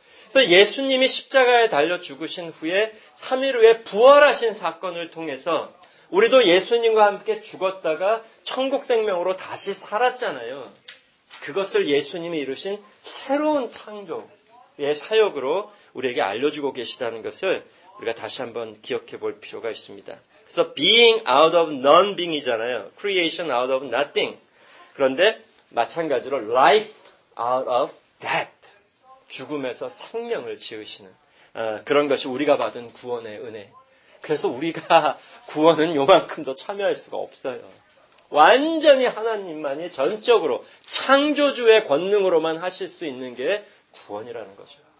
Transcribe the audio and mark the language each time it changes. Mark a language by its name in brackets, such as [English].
[Korean] 그래서 예수님이 십자가에 달려 죽으신 후에 3일 후에 부활하신 사건을 통해서 우리도 예수님과 함께 죽었다가 천국 생명으로 다시 살았잖아요. 그것을 예수님이 이루신 새로운 창조의 사역으로 우리에게 알려주고 계시다는 것을 우리가 다시 한번 기억해 볼 필요가 있습니다. 그래서 [English] being out of non-being이잖아요. creation out of nothing. [Korean] 그런데 마찬가지로 [English] life out of death. [Korean] 죽음에서 생명을 지으시는 그런 것이 우리가 받은 구원의 은혜. 그래서 우리가 구원은 요만큼도 참여할 수가 없어요. 완전히 하나님만이 전적으로 창조주의 권능으로만 하실 수 있는 게 구원이라는 거죠.